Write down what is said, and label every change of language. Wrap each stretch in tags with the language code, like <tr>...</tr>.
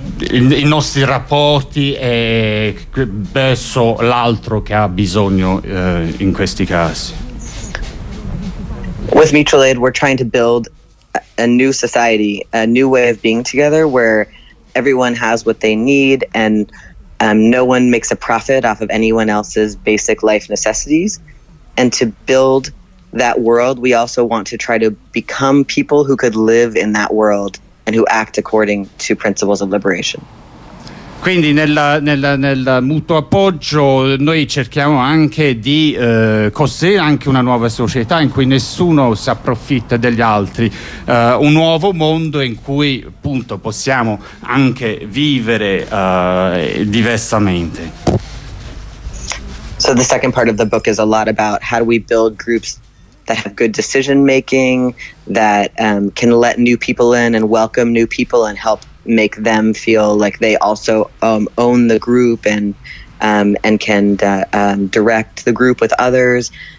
<it>i nostri rapporti e verso l'altro che ha bisogno in questi casi.</it> <en>With mutual aid, we're trying to build a new society, a new way of being together where everyone has what they need and no one makes a profit off of anyone else's basic life necessities. And to build that world, we also want to try to become people who could live in that world and who act according to principles of liberation.</en> <it>Quindi nel mutuo appoggio noi cerchiamo anche di costruire anche una nuova società in cui nessuno si approfitta degli altri, un nuovo mondo in cui appunto possiamo anche vivere diversamente.</it> <en>So the second part of the book is a lot about how do we build groups that have good decision making, that can let new people in and welcome new people and help make them feel like they also own the group and can direct the group with others.</en>